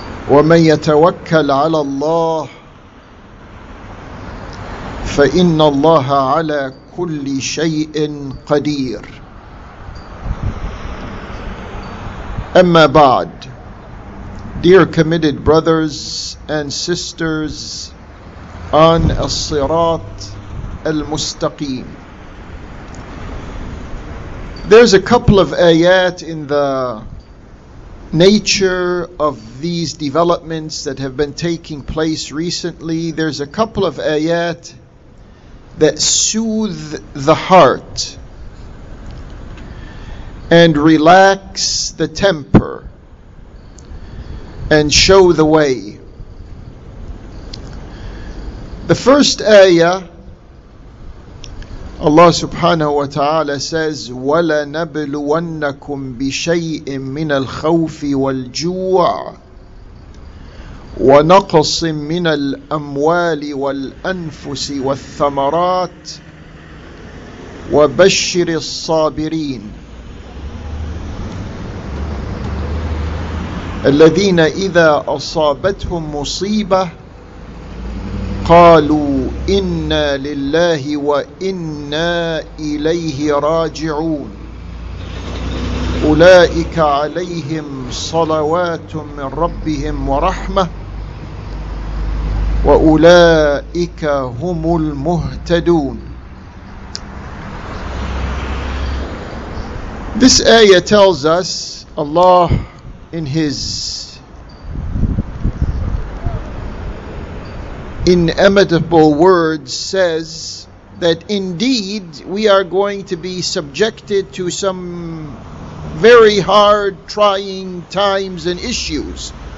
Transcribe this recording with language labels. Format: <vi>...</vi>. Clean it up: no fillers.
<ar>ومن يتوكل على الله فإن الله على كل شيء قدير أما بعد</ar> <en>Dear committed brothers and sisters on As-Sirat Al-Mustaqim. There's a couple of ayat in the nature of these developments that have been taking place recently. There's a couple of ayat that soothe the heart and relax the temper and show the way. The first ayah, Allah subhanahu wa ta'ala says,</en> <ar>وَلَنَبْلُوَنَّكُمْ بِشَيْءٍ مِّنَ الْخَوْفِ وَالْجُوعِ وَنَقْصٍ مِّنَ الْأَمْوَالِ وَالْأَنفُسِ وَالثَّمَرَاتِ وَبَشِّرِ الصَّابِرِينَ الذين إذا أصابتهم مصيبة قالوا إنا لله وإنا إليه راجعون أولئك عليهم صلوات من ربهم ورحمة وأولئك هم المهتدون.</ar> <en>This ayah tells us Allah in his inimitable words says that indeed we are going to be subjected to some very hard, trying times and issues.</en>